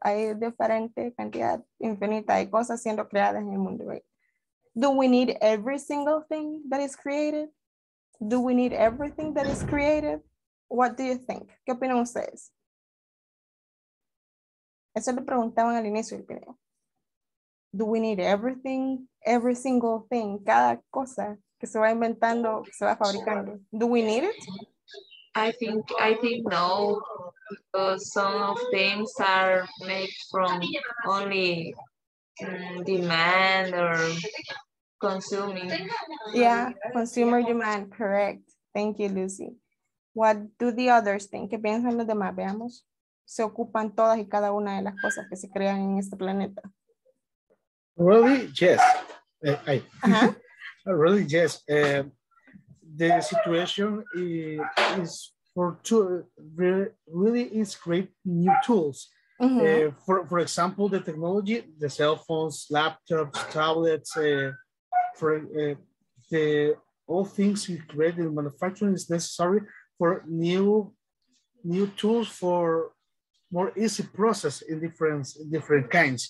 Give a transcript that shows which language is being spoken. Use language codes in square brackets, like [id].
[es] Hay diferente cantidad infinita de cosas siendo creadas en el mundo, right? [en] Do we need every single thing that is created? Do we need everything that is created? What do you think? [es] ¿Qué opinan ustedes? Eso lo preguntaban al inicio del video. [en] do we need everything, every single thing, [es] cada cosa que se va inventando, que se va fabricando? [en] Do we need it? I think no, because some of things are made from only demand or consuming. Yeah, consumer demand, correct. Thank you, Lucy. What do the others think? [es] ¿Qué piensan los demás? Veamos. Se ocupan todas y cada una de las cosas que se crean en este planeta. [en] Really? Yes. Uh-huh. Really? Yes. The situation is for two really is great new tools. Mm-hmm. For example, the technology, the cell phones, laptops, tablets, the all things we create in manufacturing is necessary for new tools for more easy process in different kinds.